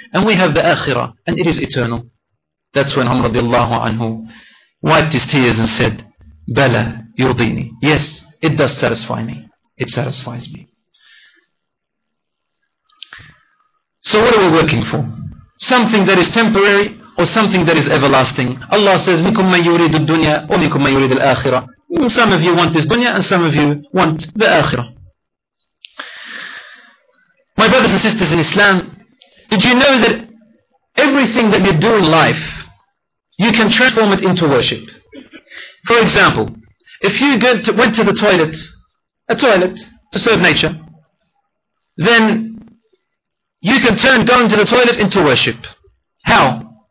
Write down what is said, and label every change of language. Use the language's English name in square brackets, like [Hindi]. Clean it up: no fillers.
[English] And we have the akhirah and it is eternal. That's when Umar radiallahu anhu wiped his tears and said, [Arabic] bala yurdini. [English] Yes, it does satisfy me. It satisfies me. So what are we working for? Something that is temporary or something that is everlasting. Allah says, [Arabic] مِكُمْ مَنْ يُرِيدُ الدُّنْيَا وَمِكُمْ مَنْ يُرِيدُ الْآخِرَةِ. [English] Some of you want this dunya and some of you want the akhirah. My brothers and sisters in Islam, did you know that everything that you do in life, you can transform it into worship? For example, if you went to the toilet, a toilet, to serve nature, then you can turn going to the toilet into worship. How?